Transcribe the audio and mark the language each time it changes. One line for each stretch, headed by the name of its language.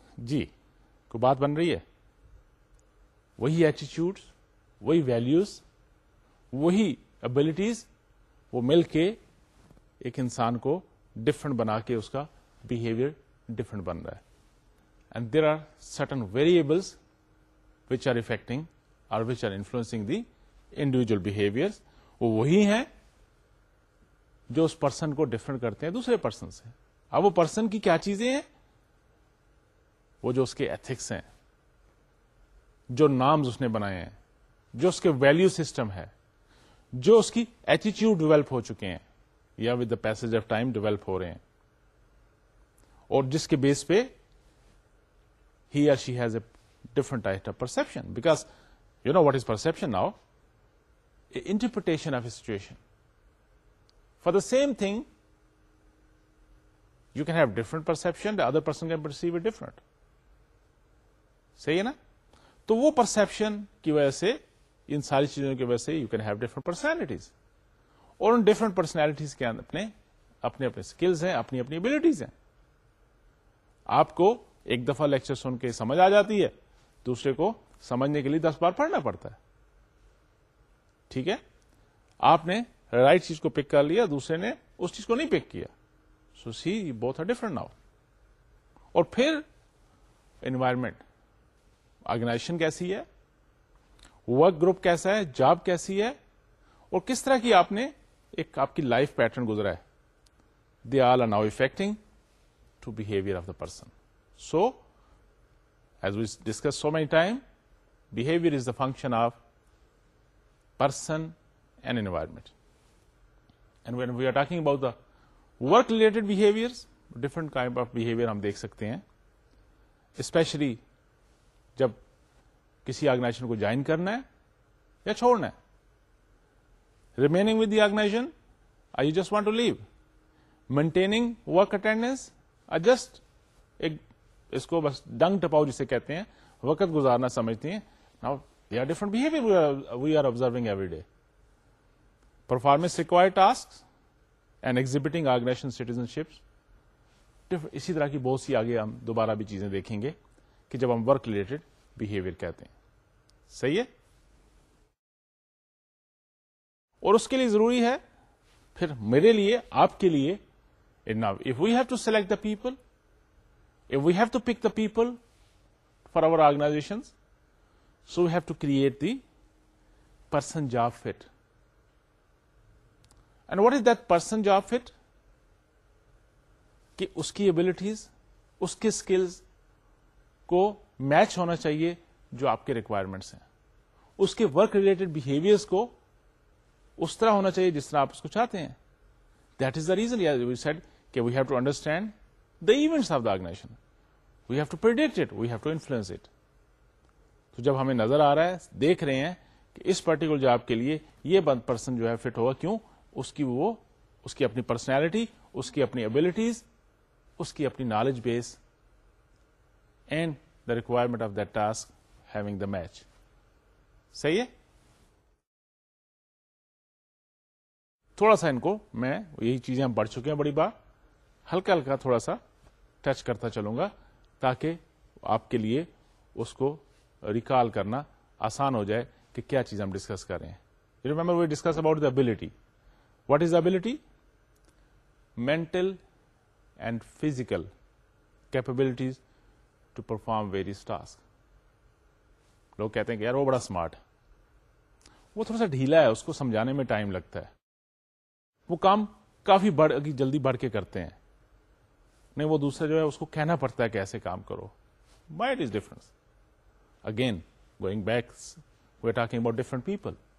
Urdu: جی کو بات بن رہی ہے. وہی ایٹیچیوڈ وہی ویلوز وہی ابلٹیز وہ مل کے ایک انسان کو ڈفرنٹ بنا کے اس کا بہیویئر ڈفرنٹ بن رہا ہے.
English: And there are certain variables which are affecting اور which are influencing the individual behaviours.
Urdu: وہی ہیں جو اس پرسن کو ڈفرنٹ کرتے ہیں دوسرے پرسن سے. اب وہ پرسن کی کیا چیزیں ہیں, وہ جو اس کے ایتھکس ہیں, جو نامز اس نے بنائے ہیں, جو اس کے ویلیو سسٹم ہے, جو اس کی ایٹیچیوڈ ڈیولپ ہو چکے ہیں یا
English: with the passage of time
Urdu: develop ہو رہے ہیں اور جس کے بیس پہ he
English: Or she has a different type of perception. Because you know what is perception now, interpretation of a situation. For the same thing you can have different perception, other person can perceive it different.
Urdu: صحیح ہے نا. تو وہ perception کی وجہ سے, ان ساری چیزوں کی وجہ سے
English: you can have different personalities
Urdu: اور ان ڈفرنٹ پرسنالٹیز کے اپنے اپنے اسکلز ہیں, اپنی اپنی ابلٹیز ہیں. آپ کو ایک دفعہ لیکچر سن کے سمجھ آ جاتی ہے, دوسرے کو سمجھنے کے لیے دس بار پڑھنا پڑتا ہے. ٹھیک ہے, آپ نے رائٹ چیز کو پک کر لیا, دوسرے نے اس چیز کو نہیں پک کیا.
English: So see both are different now.
Urdu: اور پھر انوائرمنٹ, آرگنائزیشن کیسی ہے, ورک گروپ کیسا ہے, جاب کیسی ہے اور کس طرح کی آپ نے ایک آپ کی لائف پیٹرن گزرا ہے.
English: They all are now affecting to behaviour of the person. So as we discuss so many time, behaviour is the function of person and environment. And when we are talking about the work related behaviour, different kind of behaviour
Urdu: ہم دیکھ سکتے ہیں, especially جب کسی organization کو join کرنا ہے یا چھوڑنا ہے.
English: Remaining with the organisation, I you just want to leave. Maintaining work attendance, I just ایک
Urdu: اس کو بس ڈنگ ٹپاؤ جسے کہتے ہیں, وقت گزارنا سمجھتے ہیں.
English: Now they are different behaviour we are observing every day. Performance required task and exhibiting organisation citizenships,
Urdu: اسی طرح کی بہت سی آگے ہم دوبارہ بھی چیزیں دیکھیں گے کہ جب ہم ورک ریلیٹڈ بہیویئر کہتے ہیں. صحیح ہے. اور اس کے لیے
English: ضروری ہے پھر میرے لیے, آپ کے لیے, if we have to select the people, if we have to pick the people for our organisation, so we have to create the person job fit. And what is that person job fit?
Urdu: کہ اس کی abilities, اس کے skills کو match ہونا چاہیے جو آپ کے requirements ہیں, اس کے ورک ریلیٹڈ بہیویئرس کو اس طرح ہونا چاہیے جس طرح آپ اس کو چاہتے ہیں.
English: That is the reason we said کہ we have to understand the events of the organisation, we have to predict it, we have to influence it.
Urdu: تو جب ہمیں نظر آ رہا ہے, دیکھ رہے ہیں کہ اس پرٹیکولر جاب کے لیے یہ پرسن جو ہے فٹ ہوگا, کیوں, اس کی اپنی پرسنالٹی, اس کی اپنی ابلٹیز, اس کی اپنی knowledge base
English: And the requirement of that task having the match.
Urdu: صحیح ہے. تھوڑا سا ان کو میں, یہی چیزیں ہم بڑھ چکے ہیں بڑی بار, ہلکا ہلکا تھوڑا سا ٹچ کرتا چلوں گا تاکہ آپ کے لیے اس کو ریکال کرنا آسان ہو جائے کہ کیا چیز ہم ڈسکس کر رہے ہیں.
English: You remember we discuss about the ability. What is the ability? Mental and physical capabilities to perform various tasks.
Urdu: لوگ کہتے ہیں کہ یار وہ بڑا اسمارٹ ہے, وہ تھوڑا سا ڈھیلا ہے, اس کو سمجھانے میں ٹائم لگتا ہے, وہ کام کافی جلدی بڑھ کے کرتے ہیں, نہیں وہ دوسرا جو ہے اس کو کہنا پڑتا ہے کہ ایسے کام کرو.
English: Mind is difference again going back we are talking about different people.